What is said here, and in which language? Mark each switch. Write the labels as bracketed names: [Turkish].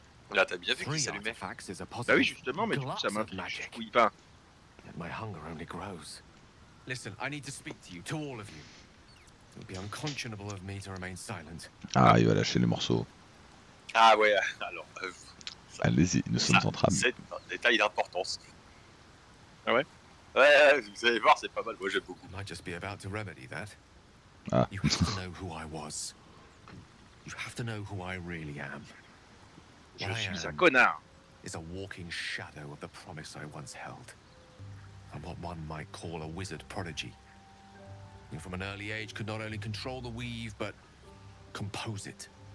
[French] Là, t'as bien vu qu'il s'allumait. Bah oui, justement, mais du coup, ça m'intrigue. Oui, pas. [English] My hunger only grows. Listen, I need to speak to you, to all of you. It would be unconscionable of me to remain silent. [French] Ah, il va lâcher les morceaux. Ah ouais, alors... Allez-y, nous sommes en train. C'est un détail d'importance. Ah ouais. Ouais, vous allez voir, c'est pas mal, moi j'aime beaucoup. [English] Might just be about to remedy that. Ah. You have to know who I was. You have to know who I really am. [French] Je suis un connard. [English] Is a walking shadow of the promise I once held. I'm what one might call a wizard prodigy. You from an early age could not only control the weave, but compose it.